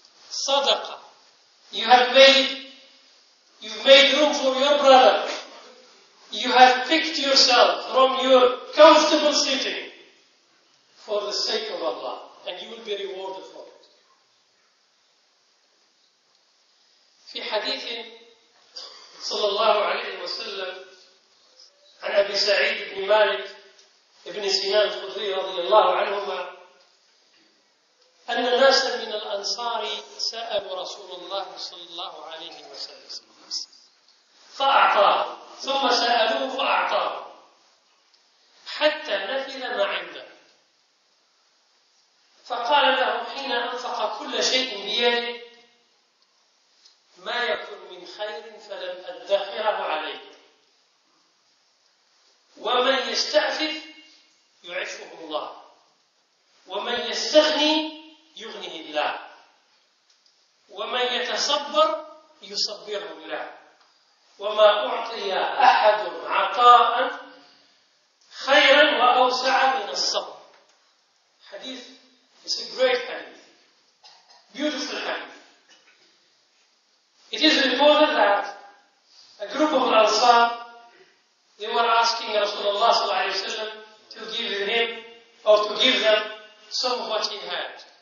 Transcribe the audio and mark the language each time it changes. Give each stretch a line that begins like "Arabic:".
English: Sadaqah. You have made room for your brother. You have picked yourself from your comfortable sitting for the sake of Allah. And you will be rewarded for it.
Arabic: Fi hadithin. صلى الله عليه وسلم عن أبي سعيد بن مالك ابن سنان الخدري رضي الله عنهما أن الناس من الأنصار سألوا رسول الله صلى الله عليه وسلم فأعطاه ثم سألوه فأعطاه حتى نفذ ما عنده فقال لهم حين أنفق كل شيء بيده ما يكون من خير فلم أدخره عليه ومن يستعفف يعفه الله ومن يستغني يغنيه الله ومن يتصبر يصبره الله وما أعطي أحد عطاء خيرا وأوسع من الصبر.
English: حديث, it's a great hadith, beautiful hadith. It is reported that a group of Al-Ansar, they were asking Rasulullah sallallahu alayhi wa sallam to give him or to give them some of what he had.